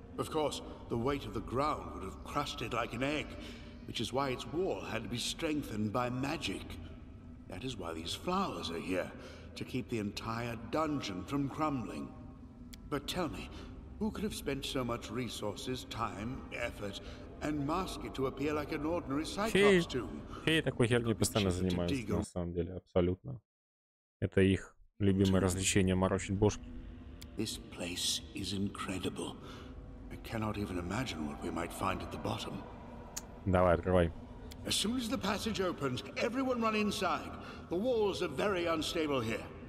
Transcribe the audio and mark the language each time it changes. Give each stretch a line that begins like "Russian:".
English: Of course, the weight of the ground would have crushed it like an egg, which is why its wall had to be strengthened by magic. That is why these flowers are here, to keep the entire dungeon from crumbling. But tell me, who could have spent so much resources, time, effort, and mask it to appear like an ordinary Cyclops tomb?
Russian: Хей, такой херней постоянно занимаются, на самом деле, абсолютно. Это их любимое развлечение, морочить бошки.
English: This place is incredible. I cannot even imagine what we might find at the bottom.
Russian: Давай, открывай.
English: As soon as the passage opens, everyone run inside. The walls are very unstable here.